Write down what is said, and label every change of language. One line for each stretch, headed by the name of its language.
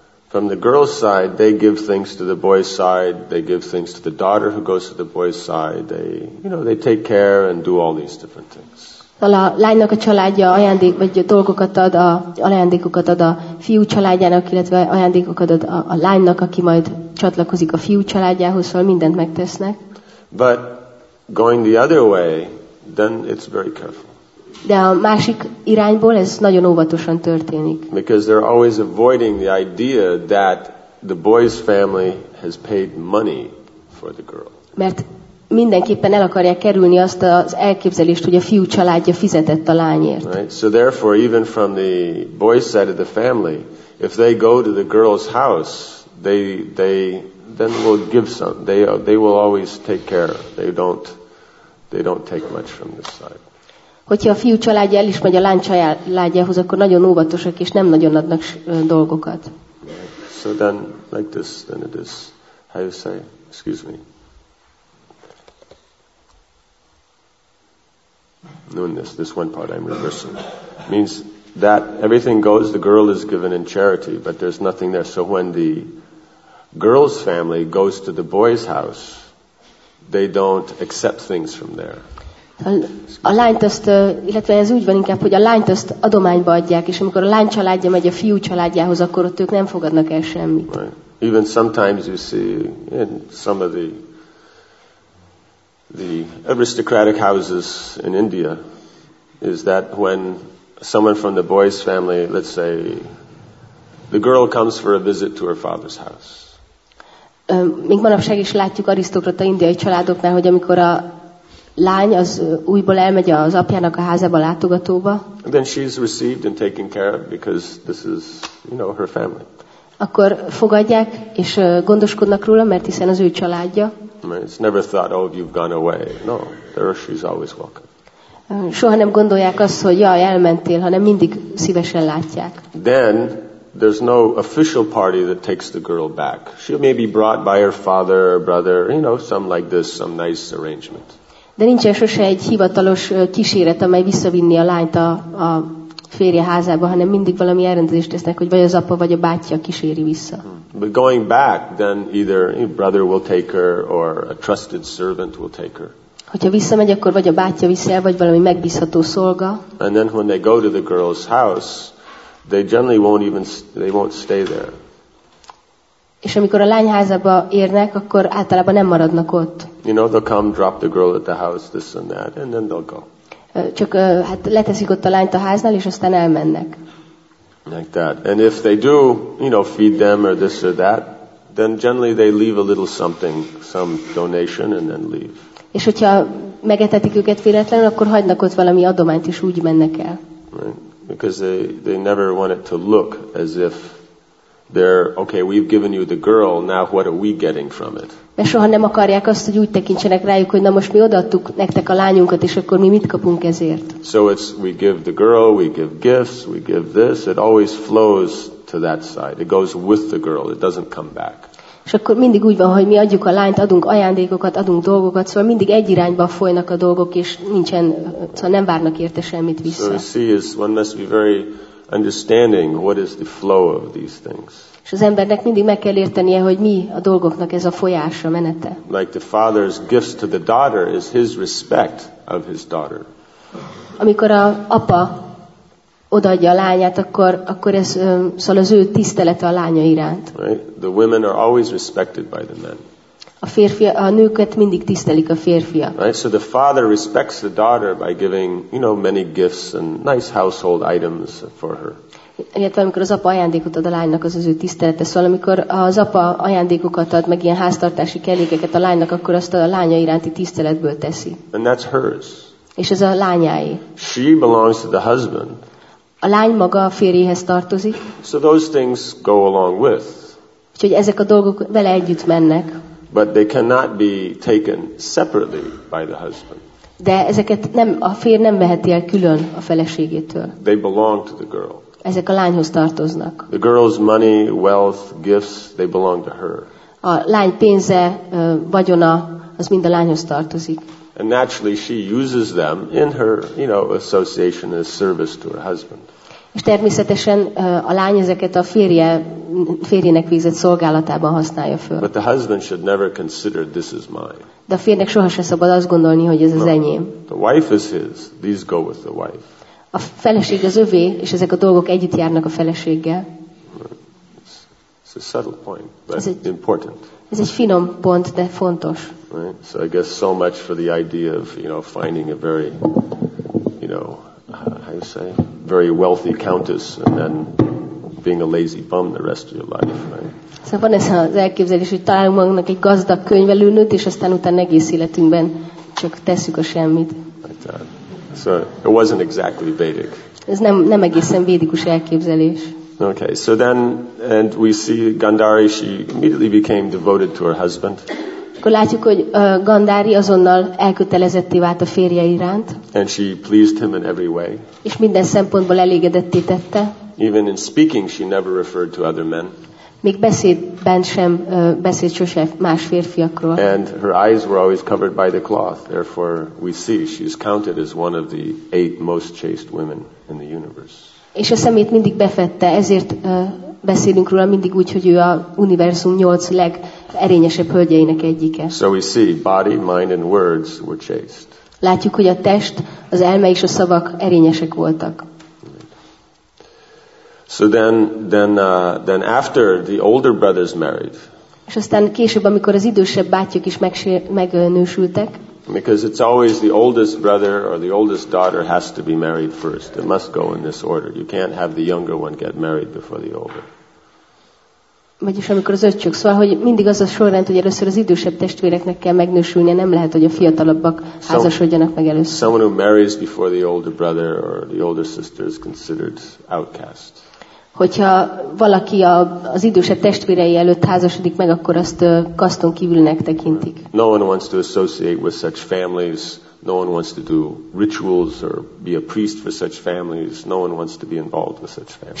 English: From the girl's side, they give things to the boy's side. They give things to the daughter who goes to the boy's side. They, you know, they take care and do all these different things.
Hungarian: A lánynak a családja ajándék vagy dolgokat ad, ajándékokat ad a fiú családjának, illetve ajándékokat ad a lánynak, aki majd csatlakozik a fiú családjához, szóval mindent megtesznek.
English: But going the other way, then it's very careful.
Hungarian: De a másik irányból ez nagyon óvatosan történik.
English: Because they're always avoiding the idea that the boy's family has paid money for the girl.
Hungarian: Mert mindenképpen el akarják kerülni azt az elképzelést, hogy a fiú családja fizetett a lányért.
English: Right? So therefore, even from the boy's side of the family, if they go to the girl's house, they will give some. They will always take care. They don't take much from this side.
Hungarian: Hogyha a fiú családja el is megy a lány családjához, akkor nagyon óvatosak és nem nagyon adnak dolgokat.
English: So then, like this, then it is. How you say? Excuse me. Doing this one part I'm reversing. Means that everything goes, the girl is given in charity, but there's nothing there. So when the girl's family goes to the boy's house, they don't accept things from there.
Hungarian: A lányt azt, illetve ez úgy van inkább, hogy a lányt azt adományba adják, és amikor a lány családja megy a fiú családjához, akkor ott ők nem fogadnak el semmit.
English: Right. Even sometimes you see in some of the aristocratic houses in India is that when someone from the boy's family, let's say, the girl comes for a visit to her father's house.
Hungarian: Még manapság is látjuk arisztokrata indiai családoknál, hogy amikor a lány az újból elmegy az apjának a házába látogatóba.
English: And then she's received and taken care of because this is, you know, her family.
Hungarian: Akkor fogadják és gondoskodnak róla, mert hiszen az ő családja.
English: It's never thought, oh, you've gone away. No, there she's always welcome.
Hungarian: Soha nem gondolják azt, hogy jaj, elmentél, hanem mindig szívesen látják.
English: Then there's no official party that takes the girl back. She may be brought by her father or brother, you know, some like this, some nice arrangement.
Hungarian: De nincsen sose egy hivatalos kíséret, amely visszavinni a lányt a férje házába, hanem mindig valami elrendezést tesznek, hogy vagy az apa, vagy a bátyja kíséri vissza.
English: But going back, then either a brother will take her, or a trusted servant will take her.
Hungarian: Hogyha visszamegy, akkor vagy a bátyja viszi el, vagy valami megbízható szolga.
English: And then when they go to the girl's house, they generally won't stay there.
Hungarian: És amikor a lány házába érnek, akkor általában nem maradnak ott.
English: You know, they'll come, drop the girl at the house, this and that, and then they'll go.
Hungarian: Csak hát leteszik ott a lányt a háznál, és aztán elmennek.
English: Like that. And if they do, you know, feed them or this or that, then generally they leave a little something, some donation, and then leave.
Hungarian: És hogyha megetetik őket véletlenül, akkor hagynak ott valami adományt, és úgy mennek el.
English: Right. Because they never want it to look as if they're, okay, we've given you the girl, now what are we getting from it?
Hungarian: Mert soha nem akarják azt, hogy úgy tekintsenek rájuk, hogy na most mi odaadtuk nektek a lányunkat, és akkor mi mit kapunk ezért?
English: So it's, we give the girl, we give gifts, we give this, it always flows to that side. It goes with the girl, it doesn't come back.
Hungarian: És akkor mindig úgy van, hogy mi adjuk a lányt, adunk ajándékokat, adunk dolgokat, szóval mindig egy irányba folynak a dolgok, és nincsen, szóval nem várnak érte semmit vissza.
English: So see, one must be very understanding what is the flow of these things.
Hungarian: És az embernek mindig meg kell értenie, hogy mi a dolgoknak ez a folyása, menete.
English: Like the father's gifts to the daughter is his respect of his daughter.
Hungarian: Amikor a apa odaadja a lányát, akkor ez szóval az ő tisztelete a lánya iránt.
English: Right? The women are always respected by the men.
Hungarian: A nőket mindig tisztelik a férfiak.
English: Right? So the father respects the daughter by giving, you know, many gifts and nice household items for her.
Hungarian: Illetve amikor az apa ajándékot ad a lánynak, az ő tisztelete. Szóval amikor az apa ajándékokat ad, meg ilyen háztartási kellékeket a lánynak, akkor azt a lánya iránti tiszteletből teszi.
English: And that's hers.
Hungarian: És ez a lányáé.
English: She belongs to the husband.
Hungarian: A lány maga a férjéhez tartozik.
English: So those things go along with.
Hungarian: Úgyhogy ezek a dolgok vele együtt mennek.
English: But they cannot be taken separately by the husband.
Hungarian: De ezeket nem, a férj nem veheti el külön a feleségétől.
English: They belong to the girl.
Hungarian: Ezek a lányhoz tartoznak.
English: The girl's money, wealth, gifts, they belong to her.
Hungarian: A lány pénze, vagyona, az mind a lányhoz tartozik.
English: And naturally she uses them in her, you know, association as service to her husband.
Hungarian: És természetesen a lány ezeket a férjének végzett szolgálatában használja föl.
English: But the husband should never consider this is mine.
Hungarian: De a férjnek soha se szabad azt gondolni, hogy ez az enyém.
English: The wife is his. These go with the wife.
Hungarian: A feleség az övé, és ezek a dolgok együtt járnak a feleséggel.
English: It's a subtle point, but important.
Hungarian: Ez egy finom pont, de fontos.
English: Right? So I guess so much for the idea of, you know, finding a very, you know, how you say, very wealthy countess and then being a lazy bum the rest of your life. Right?
Hungarian: Szóval van ez az elképzelés, hogy találunk magunknak egy gazdag könyvelőnőt, és aztán utána egész életünkben csak tesszük a semmit.
English: So it wasn't exactly Vedic.
Hungarian: Ez nem egészen védikus elképzelés.
English: Okay, so then, and we see Gandhari, she immediately became devoted to her husband.
Hungarian: Akkor látjuk, hogy Gandhari azonnal elkötelezetté vált a férje iránt.
English: And she pleased him in every way.
Hungarian: És minden szempontból elégedetté tette.
English: Even in speaking, she never referred to other men.
Hungarian: Még beszédben sem beszélt sose más férfiakról.
English: And her eyes were always covered by the cloth. Therefore, we see she is counted as one of the 8 most chaste women in the universe.
Hungarian: És a szemét mindig befette, ezért beszélünk róla mindig úgy, hogy ő a univerzum 8 legerényesebb hölgyeinek egyike.
English: So we see, body, mind and words were chaste.
Hungarian: Látjuk, hogy a test, az elme és a szavak erényesek voltak.
English: So then after the older brothers married.
Hungarian: És aztán később, amikor az idősebb bátyjuk is megnősültek.
English: Because it's always the oldest brother or the oldest daughter has to be married first. It must go in this order. You can't have the younger one get married before the older.
Hungarian: Vagyis amikor az öcsök, szóval, hogy mindig az a sorrend, hogy először az idősebb testvéreknek kell megnősülnie, nem lehet, hogy a fiatalabbak házasodjanak meg először.
English: Someone who marries before the older brother or the older sister is considered outcast.
Hungarian: Hogyha valaki az idősebb testvérei előtt házasodik meg, akkor azt kaszton kívülnek tekintik.
English: No one wants to associate with such families. No one wants to do rituals or be a priest for such families. No one wants to be involved with such families.